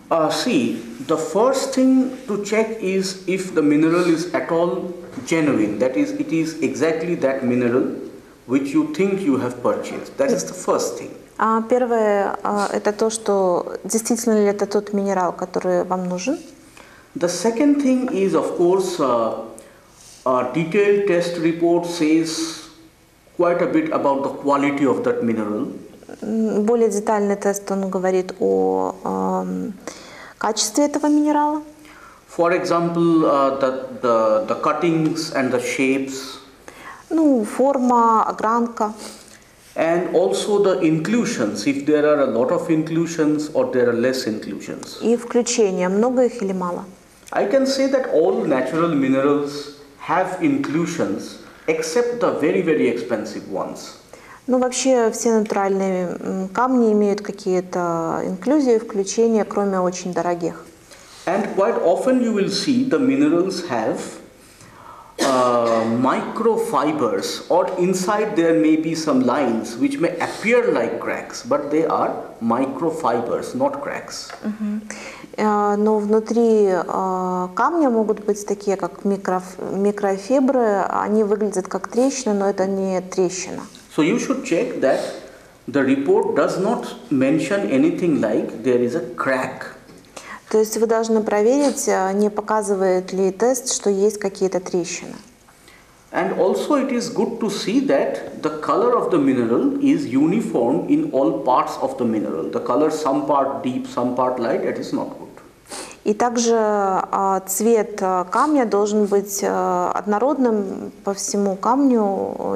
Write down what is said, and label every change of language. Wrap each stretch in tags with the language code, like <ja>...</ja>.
<en>See, the first thing to check is if the mineral is at all genuine. That is, it is exactly that mineral which you think you have purchased. That is the first thing.</en> <ru>Первое это то, что действительно ли это тот минерал, который вам нужен.</ru> <en>The second thing is, of course, a detailed test report says quite a bit about the quality of that mineral.</en> <ru>Более детальный тест он говорит о качестве этого минерала.</ru> <en>For example, the cuttings and the shapes.</en> <ru>Ну, форма, огранка.</ru> <en>And also the inclusions, if there are a lot of inclusions or there are less inclusions.</en> <ru>И включения, много их или мало?</ru> <en>I can say that all natural minerals have inclusions, except the very, very expensive ones.</en> <ru>Ну, вообще, все натуральные камни имеют какие-то инклюзии, включения, кроме очень дорогих.</ru> <en>And quite often you will see the minerals have microfibers, or inside there may be some lines which may appear like cracks, but they are microfibers, not cracks.</en> <ru>Но внутри камня могут быть такие, как микрофибры, они выглядят как трещины, но это не трещина.</ru> <en>So you should check that the report does not mention anything like there is a crack.</en> <ru>То есть вы должны проверить, не показывает ли тест, что есть какие-то трещины.</ru> <en>And also it is good to see that the color of the mineral is uniform in all parts of the mineral. The color some part deep, some part light, that is not good.</en> <ru>И также цвет камня должен быть однородным по всему камню.</ru>